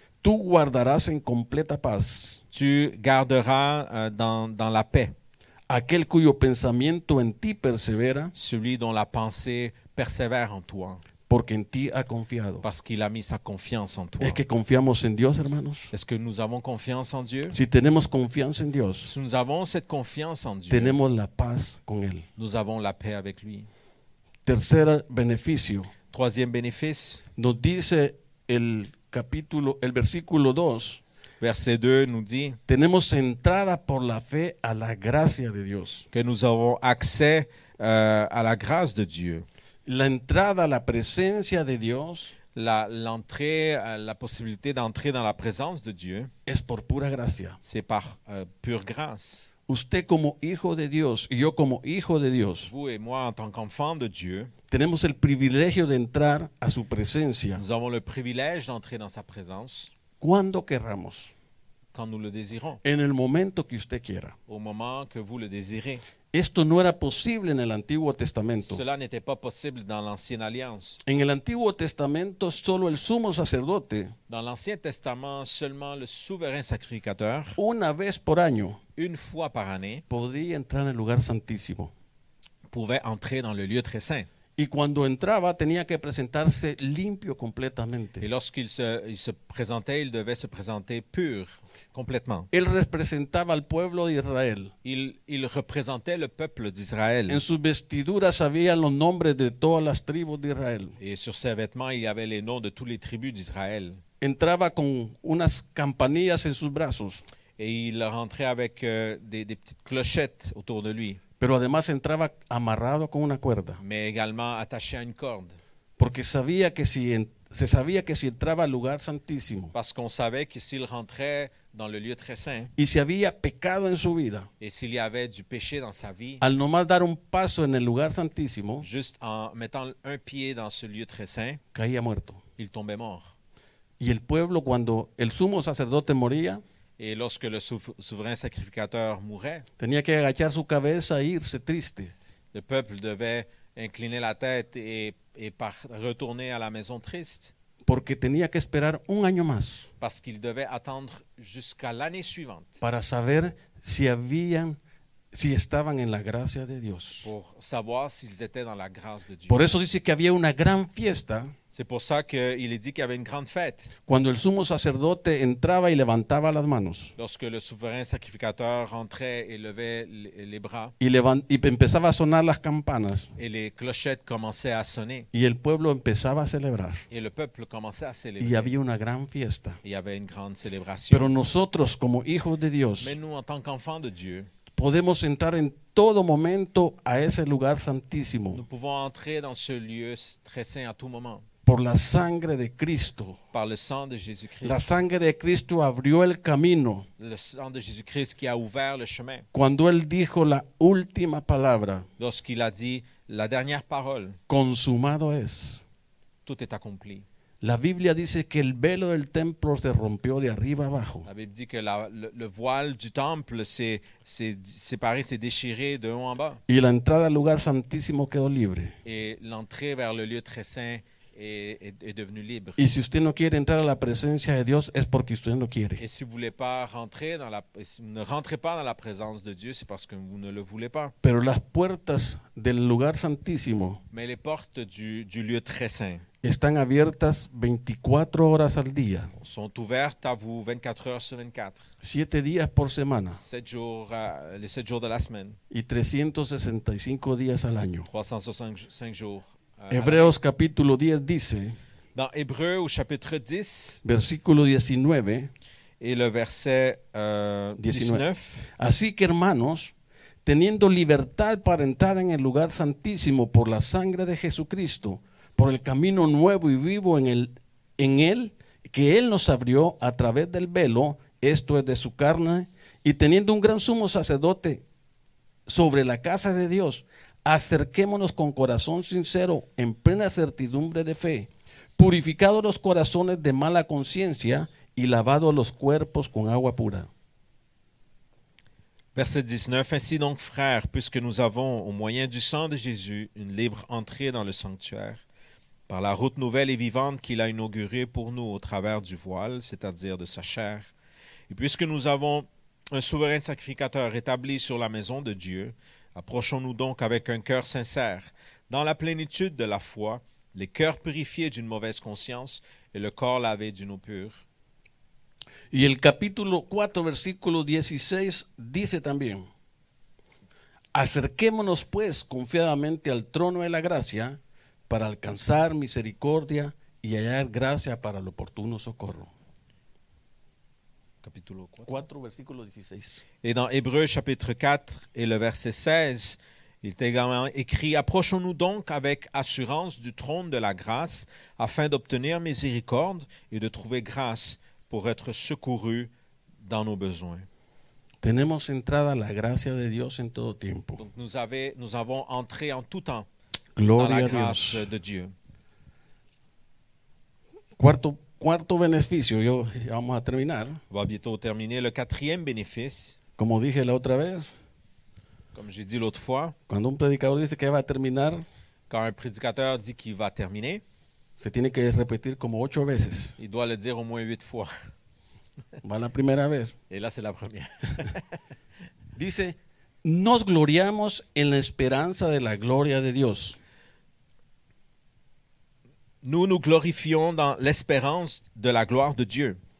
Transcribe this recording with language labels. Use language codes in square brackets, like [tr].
[es] Tú guardarás en completa paz. [fr] Tu garderas dans la paix. [es] Aquel cuyo pensamiento en ti persevera, [fr] celui dont la pensée persévère en toi, [es] porque en ti ha confiado, [fr] parce qu'il a mis sa confiance en toi. [es] Es que confiamos en Dios, hermanos. [fr] Est-ce que nous avons confiance en Dieu? [es] Si tenemos confianza en Dios, [fr] si nous avons cette confiance en Dieu, [es] tenemos la paz con él. [fr] Nous avons la paix avec lui. [es] Tercer beneficio. [fr] Troisième bénéfice. [es] Nos dice el versículo 2. [fr] Verset 2 nous dit, [es] tenemos entrada por la fe a la gracia de Dios. [fr] Que nous avons accès à la grâce de Dieu. [es] La entrada a la presencia de Dios, [fr] la possibilité d'entrer dans la présence de Dieu, [es] es por pura gracia. [fr] C'est par pure grâce. [es] Usted como hijo de Dios y yo como hijo de Dios, [fr] vous et moi en tant qu'enfant de Dieu, [es] tenemos el privilegio de entrar a su presencia. [fr] Nous avons le privilège d'entrer dans sa présence. [es] Cuando querramos. [fr] Quand nous le désirons. [es] En el momento que usted quiera. [fr] Au moment que vous le désirez. [es] Esto no era posible en el Antiguo Testamento. [fr] Cela n'était pas possible dans l'ancienne alliance. [es] En el Antiguo Testamento solo el sumo sacerdote. [fr] Dans l'Ancien Testament seulement le souverain sacrificateur. [es] Una vez por año. [fr] Une fois par année. [es] Podría entrar en el lugar santísimo. [fr] Pouvait entrer dans le lieu très saint. [es] Y cuando entraba tenía que presentarse limpio completamente. [fr] Et lorsqu'il se présentait, il devait se présenter pur, complètement. [es] Él representaba al pueblo de Israel. [fr] Il représentait le peuple d'Israël. [es] En sus vestiduras había los nombres de todas las tribus de Israel. [fr] Et sur ses vêtements, il y avait les noms de toutes les tribus d'Israël. [es] Entraba con unas campanillas en sus brazos. [fr] Et il rentrait avec des petites clochettes autour de lui. [es] Pero además entraba amarrado con una cuerda. [fr] Mais également attaché à une corde. [es] Porque sabía que si entraba al lugar santísimo. [fr] Parce qu'on savait que s'il rentrait dans le lieu très saint. [es] Y si había pecado en su vida. [fr] Et s'il y avait du péché dans sa vie. [es] Al nomás dar un paso en el lugar santísimo. [fr] Juste en mettant un pied dans ce lieu très saint. [es] Caía muerto. [fr] Il tombait mort. [es] Y el pueblo cuando el sumo sacerdote moría. [fr] Et lorsque le souverain sacrificateur mourait, [es] tenía que agachar su cabeza e irse triste. [fr] Le peuple devait incliner la tête et retourner à la maison triste. [es] porque tenía que esperar un año más. [fr] Parce qu'il devait attendre jusqu'à l'année suivante. [es] Para saber si habían, si estaban en la gracia de Dios. [fr] Pour savoir s'ils étaient dans la grâce de Dieu. [es] Por eso dice que había una gran fiesta. [fr] C'est pour ça qu'il est dit qu'il y avait une grande fête. [es] Cuando el sumo sacerdote entraba y levantaba las manos. [fr] Lorsque le souverain sacrificateur entrait et levait les bras. [es] Y empezaba a sonar las campanas. [fr] Et les clochettes commençaient à sonner. [es] Y el pueblo empezaba a celebrar. [fr] Et le peuple commençait à célébrer. [es] Y había una gran fiesta. [fr] Il y avait une grande célébration. [es] Pero nosotros como hijos de Dios. [fr] Mais nous en tant qu'enfants de Dieu. [es] Podemos entrar en todo momento a ese lugar santísimo. [fr] Nous pouvons entrer dans ce lieu très saint à tout moment. [es] Por la sangre de Cristo. [fr] Par le sang de Jésus-Christ. [es] La sangre de Cristo abrió el camino. [fr] Le sang de Jésus-Christ qui a ouvert le chemin. [es] Cuando él dijo la última palabra. [fr] Lorsqu'il a dit la dernière parole. [es] Consumado es. [fr] Tout est accompli. [es] La Biblia dice que el velo del templo se rompió de arriba abajo. [fr] La Bible dit que le voile du temple s'est séparé, s'est déchiré de haut en bas. [es] Y la entrada al lugar santísimo quedó libre. [fr] Et l'entrée vers le lieu très saint est devenu libre. [es] Y si usted no quiere entrar a la presencia de Dios es porque usted no quiere. [fr] Et si vous voulez pas rentrer dans la, si vous ne rentrez pas dans la présence de Dieu, c'est parce que vous ne le voulez pas. [es] Pero las puertas del lugar santísimo. [fr] Mais les portes du lieu très saint. [es] Están abiertas 24 horas al día. [fr] Sont ouvertes à vous 24 heures sur 24. [es] 7 días por semana. [fr] 7 jours, les 7 jours de la semaine. [es] Y 365 días al año. [fr] 365 jours. [es] Hebreos capítulo 10 dice. [fr] Dans Hébreux au chapitre 10, [es] versículo 19 [fr] y le verset 19. [es] Así que hermanos, teniendo libertad para entrar en el lugar santísimo por la sangre de Jesucristo, por el camino nuevo y vivo en él que él nos abrió a través del velo, esto es de su carne, y teniendo un gran sumo sacerdote sobre la casa de Dios, acerquémonos con corazón sincero, en plena certidumbre de fe, purificados los corazones de mala conciencia y lavados los cuerpos con agua pura. [fr] Verset 19. Ainsi donc, frères, puisque nous avons, au moyen du sang de Jésus, une libre entrée dans le sanctuaire, par la route nouvelle et vivante qu'il a inaugurée pour nous au travers du voile, c'est-à-dire de sa chair, et puisque nous avons un souverain sacrificateur établi sur la maison de Dieu, approchons-nous donc avec un cœur sincère, dans la plénitude de la foi, les cœurs purifiés d'une mauvaise conscience et le corps lavé d'une eau pure. [es] Y el capítulo 4, versículo 16, dice también, acerquémonos pues confiadamente al trono de la gracia para alcanzar misericordia y hallar gracia para el oportuno socorro. Capítulo 4. 4, versículo 16. [fr] Et dans Hébreux chapitre 4 et le verset 16, il est également écrit « Approchons-nous donc avec assurance du trône de la grâce afin d'obtenir miséricorde et de trouver grâce pour être secourus dans nos besoins. » [es] Tenemos entrada a la gracia de Dios en todo tiempo. [fr] Donc nous avons entré en tout temps. [es] Gloria [fr] dans la [es] a [fr] grâce [es] Dios. [fr] De Dieu. [es] Cuarto beneficio, ya vamos a terminar. [fr] Va bientôt terminer le quatrième bénéfice. [es] Como dije la otra vez. [fr] Comme j'ai dit l'autre fois. [es] Cuando un predicador dice que va a terminar. [fr] Quand un prédicateur dit qu'il va terminer. [es] Se tiene que repetir como 8 veces. [fr] Il doit le dire au moins 8 fois. [es] Va la primera vez. [fr] Et là c'est la première. [es] Dice, nos gloriamos en la esperanza de la gloria de Dios. [fr] Nous nous glorifions dans l'espérance de la gloire de Dieu.